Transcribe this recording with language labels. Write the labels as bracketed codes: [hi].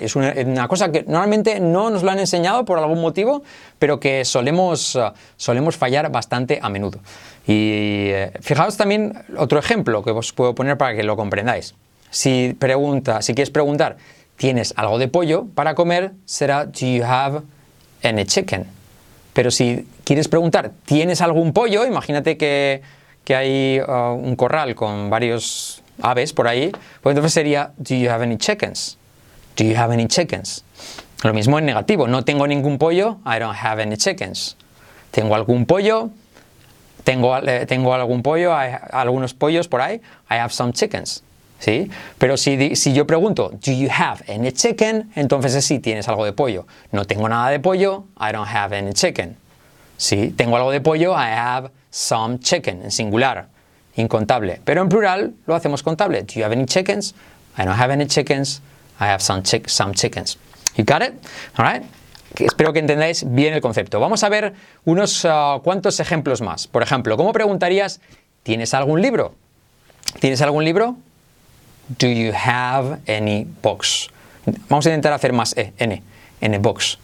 [es] Es una cosa que normalmente no nos lo han enseñado por algún motivo, pero que solemos fallar bastante a menudo. Y fijaos también otro ejemplo que os puedo poner para que lo comprendáis. Si quieres preguntar, ¿tienes algo de pollo para comer? Será, [en] do you have any chicken? [es] Pero si quieres preguntar, ¿tienes algún pollo? Imagínate que hay un corral con varios aves por ahí. Pues entonces sería, [en] do you have any chickens? Do you have any chickens? [es] Lo mismo en negativo, no tengo ningún pollo, [en] I don't have any chickens. [es] ¿Tengo algún pollo? Tengo algún pollo, algunos pollos por ahí, [en] I have some chickens. [es] ¿Sí? Pero si yo pregunto, [en] do you have any chicken? [es] Entonces sí, tienes algo de pollo. No tengo nada de pollo, [en] I don't have any chicken. [es] ¿Sí? Tengo algo de pollo, [en] I have some chicken, [es] en singular, incontable. Pero en plural lo hacemos contable. [en] Do you have any chickens? I don't have any chickens, I have some chickens. You got it? All right? [es] Espero que entendáis bien el concepto. Vamos a ver unos cuantos ejemplos más. Por ejemplo, ¿cómo preguntarías, tienes algún libro? ¿Tienes algún libro? [en] Do you have any books? [es] Vamos a intentar hacer más N books.